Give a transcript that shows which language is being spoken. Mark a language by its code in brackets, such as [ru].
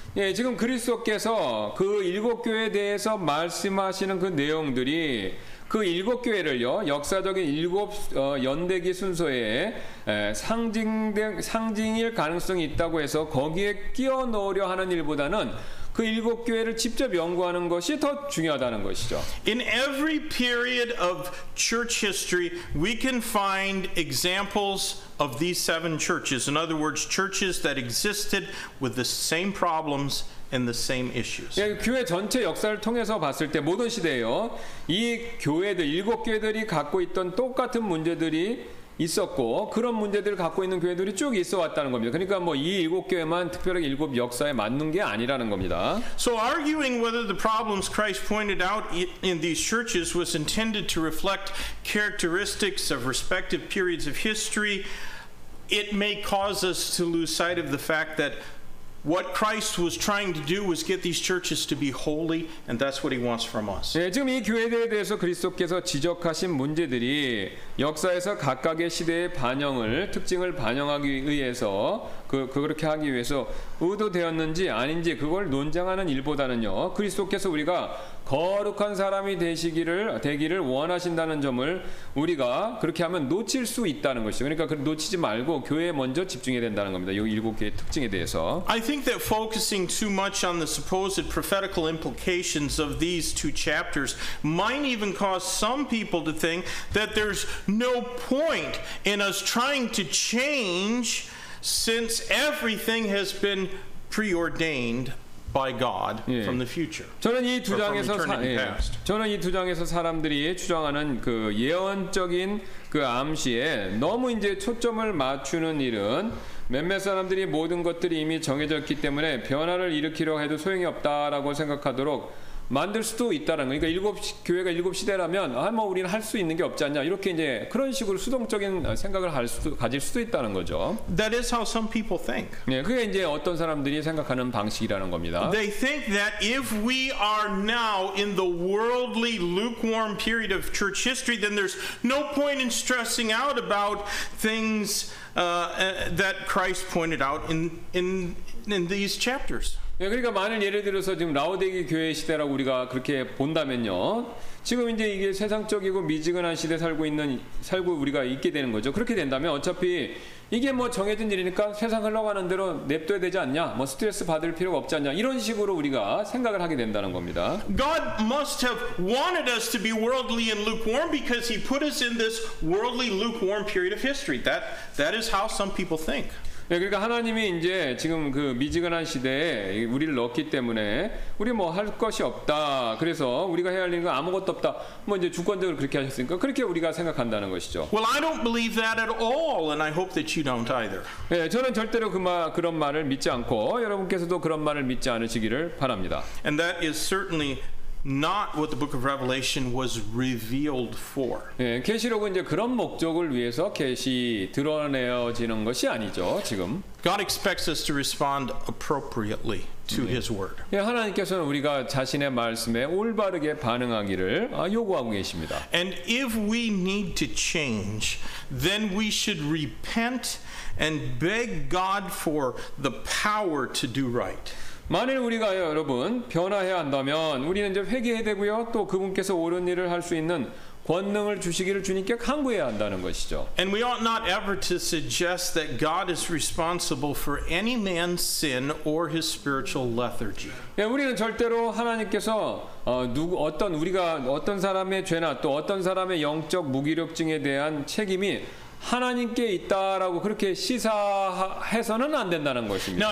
[ko] 예, 지금 그리스도께서 그 일곱 교회에 대해서 말씀하시는 그 내용들이 그 일곱 교회를요 역사적인 일곱 연대기 순서에 상징일 가능성이 있다고 해서 거기에 끼워 넣으려 하는 일보다는 그 일곱 교회를 직접 연구하는 것이 더 중요하다는 것이죠. [en] In every period of church history, we can find examples of these seven churches. In other words, churches that existed with the same problems. And the same issues. [ko] 예, 교회 전체 역사를 통해서 봤을 때 모든 시대에요. 이 교회들 일곱 교회들이 갖고 있던 똑같은 문제들이 있었고 그런 문제들을 갖고 있는 교회들이 쭉 있어 왔다는 겁니다. 그러니까 뭐 이 일곱 교회만 특별하게 일곱 역사에 맞는 게 아니라는 겁니다. [en] So arguing whether the problems Christ pointed out in these churches was intended to reflect characteristics of respective periods of history, it may cause us to lose sight of the fact that what Christ was trying to do was get these churches to be holy, and that's what he wants from us. [ko] 예, 지금 이 교회들에 대해서 그리스도께서 지적하신 문제들이 역사에서 각각의 시대의 반영을 특징을 반영하기 위해서 그렇게 하기 위해서 의도되었는지 아닌지 그걸 논쟁하는 일보다는요. 그리스도께서 우리가 거룩한 사람이 되기를 원하신다는 점을 우리가 그렇게 하면 놓칠 수 있다는 것이죠. 그러니까 그걸 놓치지 말고 교회에 먼저 집중해야 된다는 겁니다. 이 일곱 개의 특징에 대해서. [en] I think that focusing too much on the supposed prophetical implications of these two chapters might even cause some people to think that there's no point in us trying to change since everything has been preordained by God from the future. [ko] 저는 이 두 장에서 저는 이 두 장에서 사람들이 주장하는 그 예언적인 그 암시에 너무 이제 초점을 맞추는 일은 몇몇 사람들이 모든 것들이 이미 정해졌기 때문에 변화를 일으키려 해도 소용이 없다라고 생각하도록 만들 수도 있다라는 거예요. 그러니까 교회가 일곱 시대라면 아 뭐 우리는 할 수 있는 게 없지 않냐 이렇게 이제 그런 식으로 수동적인 생각을 가질 수도 있다는 거죠. [en] That is how some people think. [ko] 네, 그게 이제 어떤 사람들이 생각하는 방식이라는 겁니다. [en] They think that if we are now in the worldly lukewarm period of church history, then there's no point in stressing out about things that Christ pointed out in these chapters. [ko] 예, 그러니까 만일 예를 들어서 지금 라오데기 교회 시대라고 우리가 그렇게 본다면요. 지금 이제 이게 세상적이고 미지근한 시대 살고 우리가 있게 되는 거죠. 그렇게 된다면 어차피 이게 뭐 정해진 일이니까 세상 흘러가는 대로 냅둬야 되지 않냐? 뭐 스트레스 받을 필요가 없지 않냐? 이런 식으로 우리가 생각을 하게 된다는 겁니다. [en] God must have wanted us to be worldly and lukewarm because he put us in this worldly lukewarm period of history. That is how some people think. [ko] 예, 그러니까 하나님이 이제 지금 그 미지근한 시대에 우리를 넣었기 때문에 우리 뭐 할 것이 없다. 그래서 우리가 해야 할 일은 아무것도 없다. 뭐 이제 주권적으로 그렇게 하셨으니까 그렇게 우리가 생각한다는 것이죠. [en] Well, I don't believe that at all, and I hope that you don't either. [ko] 예, 저는 절대로 그런 말을 믿지 않고 여러분께서도 그런 말을 믿지 않으시기를 바랍니다. [en] And that is certainly not what the book of Revelation was revealed for. [ko] 예, 계시록은 이제 그런 목적을 위해서 계시 드러내어지는 것이 아니죠, 지금. [en] God expects us to respond appropriately to his word. [ko] 예, 하나님께서는 우리가 자신의 말씀에 올바르게 반응하기를 요구하고 계십니다. [en] And if we need to change, then we should repent and beg God for the power to do right. [ko] 만일 우리가 여러분 변화해야 한다면 우리는 이제 회개해야 되고요. 또 그분께서 옳은 일을 할 수 있는 권능을 주시기를 주님께 간구해야 한다는 것이죠. [en] And we ought not ever to suggest that God is responsible for any man's sin or his spiritual lethargy. [ko] 예, 우리는 절대로 하나님께서 어떤 우리가 어떤 사람의 죄나 또 어떤 사람의 영적 무기력증에 대한 책임이 하나님께 있다라고 그렇게 시사해서는 안 된다는 것입니다.